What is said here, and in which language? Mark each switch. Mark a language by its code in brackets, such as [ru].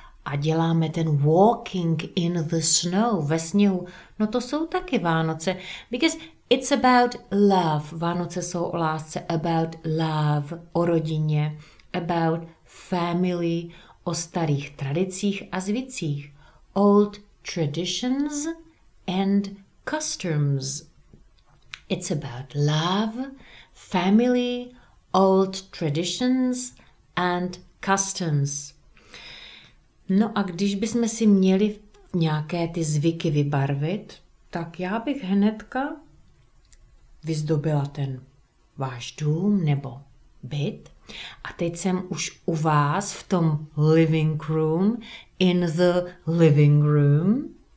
[cs] A děláme ten [en] walking in the snow, [cs] ve sněhu. No to jsou taky Vánoce. [en] Because it's about love. [cs] Vánoce jsou o lásce. [en] About love, [cs] o rodině. [en] About family, [cs] o starých tradicích a zvicích. [en] Old traditions and customs. It's about love, family, old traditions and customs. [cs] No a když bychom si měli nějaké ty zvyky vybarvit, tak já bych hnedka vyzdobila ten váš dům nebo byt. A teď jsem už u vás v tom living room, [en] in the living room.